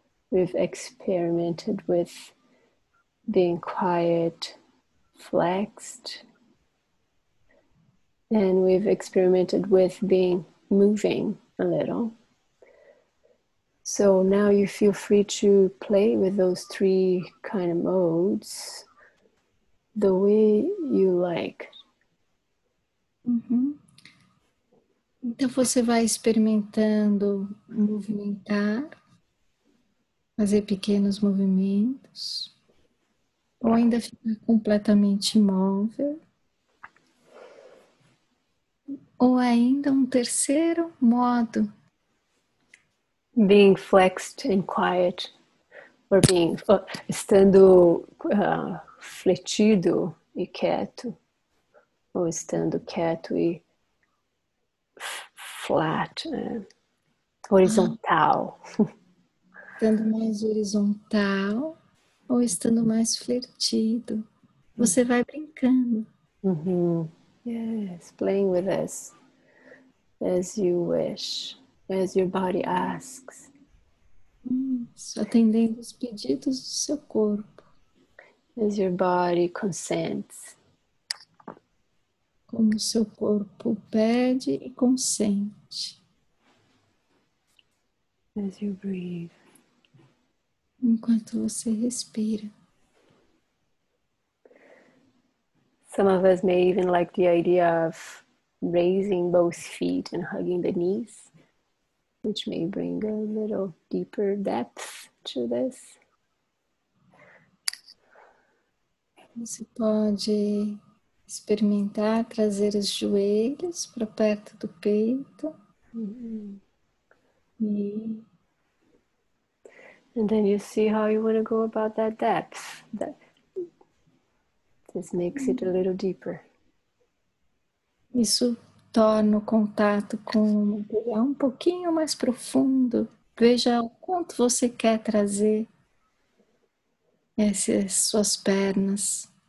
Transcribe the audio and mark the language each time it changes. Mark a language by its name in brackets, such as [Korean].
[English] We've experimented with being quiet, flexed, and we've experimented with being moving a little. So now you feel free to play with those three kind of modes the way you like. [Portuguese] Então você vai experimentando movimentar, fazer pequenos movimentos, ou ainda ficar completamente imóvel, ou ainda um terceiro modo. [English] Being flexed and quiet, or being [Portuguese] estando fletido e quieto, ou estando quieto e flat, horizontal. Estando mais horizontal ou estando mais flertido, você vai brincando. [English] Yes, playing with us as you wish, as your body asks. [Portuguese] Isso, atendendo os pedidos do seu corpo. [English] As your body consents. [Portuguese] Como o seu corpo pede e consente. [English] As you breathe. [Portuguese] Enquanto você respira. [English] Some of us may even like the idea of raising both feet and hugging the knees, which may bring a little deeper depth to this. [Portuguese] Você pode experimentar trazer os joelhos para perto do peito. [English] And then you see how you want to go about that depth. That this makes it a little deeper. [Portuguese] Isso torna o contato com o material um pouquinho mais profundo. Veja o quanto você quer trazer essas suas pernas.